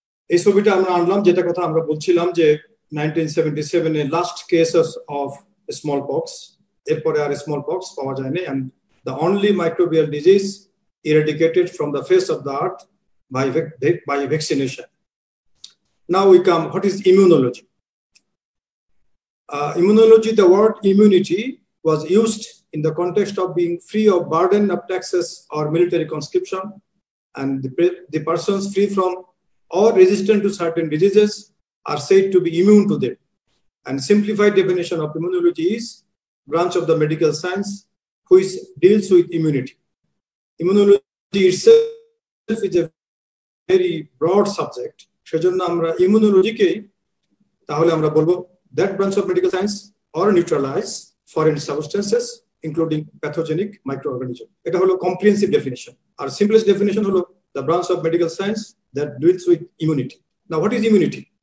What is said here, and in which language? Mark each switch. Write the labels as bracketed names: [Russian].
[Bangla] এই ছবিটা আমরা আনলাম যেটা কথা আমরা বলছিলাম যে [English] 1977 এ last cases of smallpox, [Bangla] এরপরে আর স্মল পক্স পাওয়া যায়নি, [English] And the only microbial disease eradicated from the face of the earth by vaccination. Now we come, what is immunology? Immunology, the word immunity was used in the context of being free of burden of taxes or military conscription, and the persons free from or resistant to certain diseases are said to be immune to them. And simplified definition of immunology is branch of the medical science which deals with immunity. Immunology itself is a very broad subject. [Bangla] সেজন্য আমরা ইমিউনোলজিকে তাহলে আমরা বলবো [English] That branch of medical science or neutralise foreign substances including pathogenic microorganism. [Bangla] এটা হলো comprehensive definition. আর simplest definition হলো [English] The branch of medical science that deals with immunity. Now what is immunity?